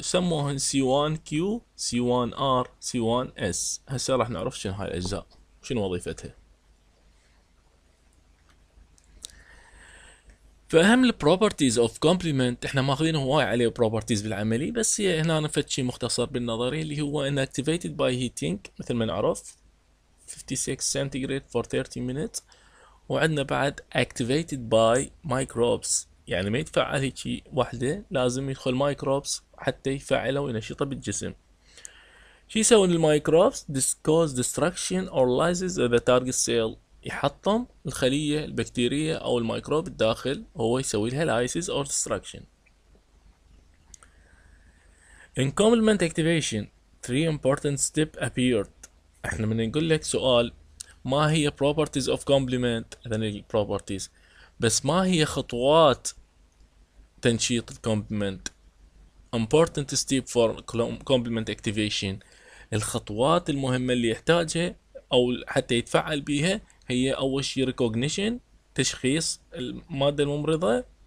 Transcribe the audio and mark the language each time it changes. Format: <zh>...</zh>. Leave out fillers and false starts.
<ar>سموهن C1Q، C1R، C1S. هسه راح نعرف شنو هاي الأجزاء، شنو وظيفتها. فأهم الـ</ar> <en>properties of complement،</en> <ar>إحنا ماخذين هواي عليه properties بالعملي، بس هي هنا نفت شيء مختصر بالنظري، اللي هو</ar> <en>inactivated by heating</en> <ar>مثل ما نعرف.</ar> <en>56 centigrade for 30 minutes.</en> <ar>وعندنا بعد</ar> <en>activated by microbes،</en> <ar>يعني ما يتفعل هيك وحده، لازم يدخل microbes حتى يفعله وينشطه بالجسم. شو يسوون المايكروبس؟</ar> <en>This cause destruction or lyses the target cell.</en> <ar>يحطم الخليه البكتيريه او الميكروب الداخل، هو يسوي لها</ar> <en>lyses or destruction. In complement activation three important steps appeared.</en> <ar>احنا من نقول لك سؤال، ما هي properties of complement؟ اذن properties، بس ما هي خطوات تنشيط complement؟</ar> <en>important step for complement activation.</en> <ar>الخطوات المهمة اللي يحتاجها او حتى يتفعل بيها هي اول شيء recognition، تشخيص المادة الممرضة.</ar>